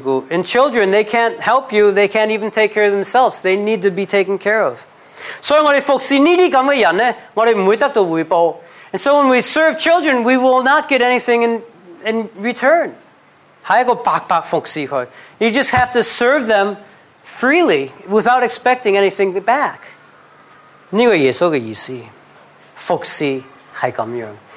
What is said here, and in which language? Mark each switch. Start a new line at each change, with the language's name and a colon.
English: And children, they can't help you, they can't even take care of themselves. They need to be taken care of.
Chinese: 所以我们服侍这些人呢,我们不会得到回报.
English: And so when we serve children, we will not get anything in return. You just have to serve them freely without expecting anything back.
Chinese: 这个耶稣的意思, 服侍是这样.